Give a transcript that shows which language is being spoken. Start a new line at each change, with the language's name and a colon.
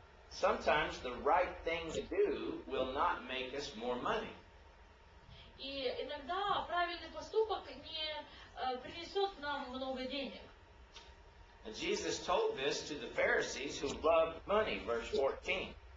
English: Sometimes the right thing to do will not make us more money.
Russian: И иногда правильный поступок не принесет нам много денег.
English: Jesus told this to the Pharisees who loved money, verse 14.